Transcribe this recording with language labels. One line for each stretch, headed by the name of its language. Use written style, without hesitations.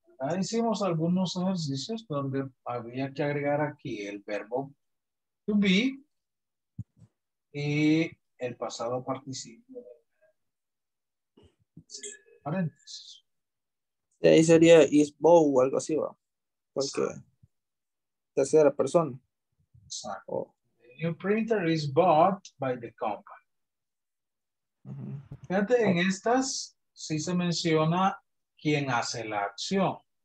Spanish: Ya hicimos algunos ejercicios donde había que agregar aquí el verbo to be y el pasado participio. Paréntesis. Ahí sería
English: is bow
Spanish: o algo así, ¿va? Porque tercera persona. Exacto.
English: The new printer is bought by the company. Uh-huh.
Spanish: Fíjate, en estas sí se menciona quién hace la acción.